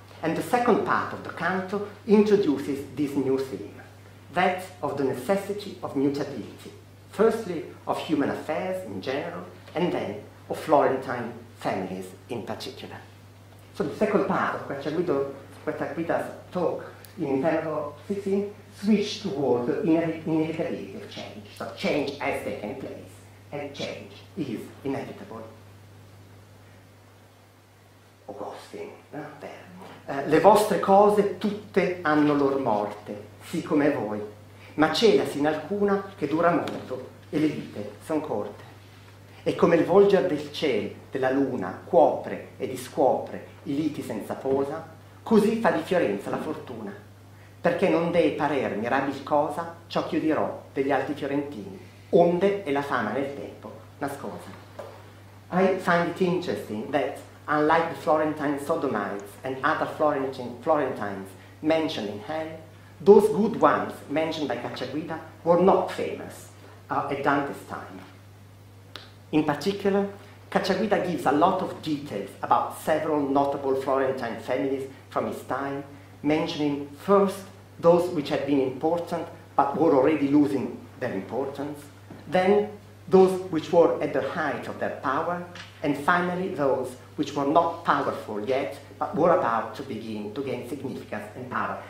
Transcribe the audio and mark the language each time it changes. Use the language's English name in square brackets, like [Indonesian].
[English] And the second part of the canto introduces this new theme, that of the necessity of mutability, firstly of human affairs in general, and then of Florentine families in particular. So the second part of Cacciaguida's talk in Inferno 16 switched toward the inevitability of change. So change has taken place, and change is inevitable. Augustine, there. [Italian] Le vostre cose tutte hanno lor morte, sì come voi, ma celasi in alcuna che dura molto e le vite son corte. E come il volger del cielo, della luna, cuopre e discuopre i liti senza posa, così fa di Fiorenza la fortuna, perché non dei parer mirabil cosa ciò che io dirò degli altri fiorentini, onde è la fama nel tempo nascosa. [English] I find it interesting that, unlike the Florentine sodomites and other Florentines mentioned in Hell, those good ones mentioned by Cacciaguida were not famous at Dante's time. In particular, Cacciaguida gives a lot of details about several notable Florentine families from his time, mentioning first those which had been important but were already losing their importance, then those which were at the height of their power, and finally those which were not powerful yet, but were about to begin to gain significance and power.